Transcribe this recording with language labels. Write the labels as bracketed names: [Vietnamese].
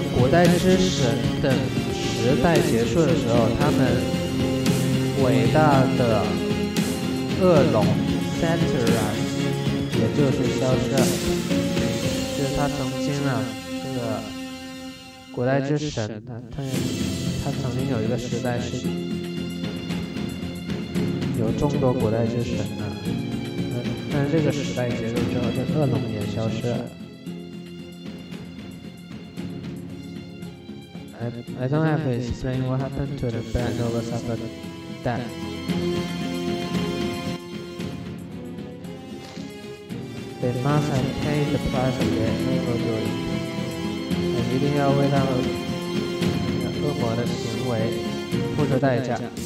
[Chinese] 在之神等时代结束的时候，他们伟大的恶龙 Cetrus 也就是消失了，就是他曾经呢，这个古代之神他曾经有一个时代是有众多古代之神的，但是这个时代结束之后，这恶龙也消失了。 [English] I don't have to explain what happened to the Black Novas after that. They must have paid the price of their evil doing. [Chinese] And 一定要为他们恶魔的行为付出代价。